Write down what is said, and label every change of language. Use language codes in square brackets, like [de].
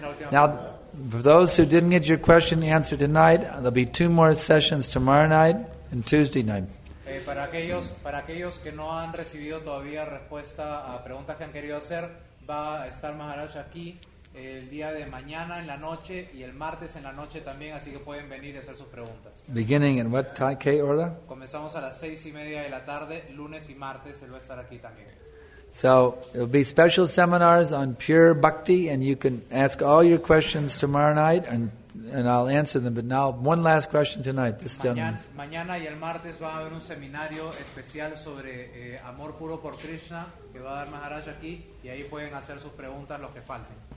[en] Now, for those who didn't get your question answered tonight, there'll be two more sessions tomorrow night and Tuesday night. [es] Para aquellos que no han recibido todavía respuesta a preguntas que han querido hacer, va a estar Maharaj aquí el día de mañana en la noche y el martes en la noche también, así que pueden venir y hacer sus preguntas. [en] Beginning in what time, Kay Orla? [es] Comenzamos a las 6:30 de la tarde, lunes y martes, él va a estar aquí también. [en] So, it'll be special seminars on pure bhakti, and you can ask all your questions tomorrow night, and I'll answer them. But now, one last question tonight. This gentleman. [es] Mañana y el martes va a haber un seminario especial sobre amor puro por Krishna, que va a dar Maharaj aquí, y ahí pueden hacer sus preguntas los que falten.